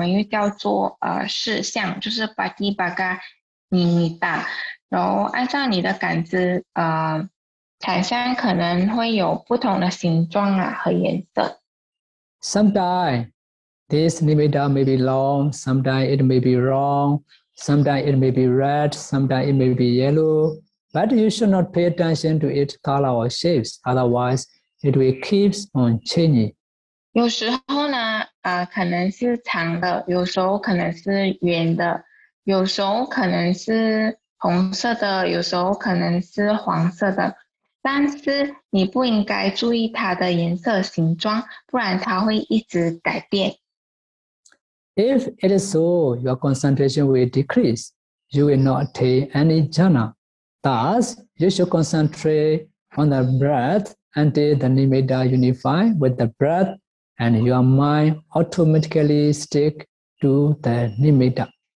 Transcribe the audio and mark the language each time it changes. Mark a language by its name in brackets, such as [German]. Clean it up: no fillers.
[Chinese] 一开始的时候呢，禅相是灰色的。当定力提升的时候呢，禅相就会变白，然后变得透明。透明的禅相呢，我们又叫做视相，就是 patibhaga nimitta。然后按照你的感知，禅相可能会有不同的形状啊和颜色。 [English] Sometimes this nimitta may be long, sometimes it may be wrong, sometimes it may be red, sometimes it may be yellow, but you should not pay attention to its color or shapes, otherwise it will keep on changing. [Chinese] 有时候呢，可能是长的，有时候可能是圆的，有时候可能是红色的，有时候可能是黄色的。但是你不应该注意它的颜色形状，不然它会一直改变。 [English] If it is so, your concentration will decrease. You will not attain any jhana. Thus, you should concentrate on the breath until the nimitta unify with the breath and your mind automatically stick to the nimitta.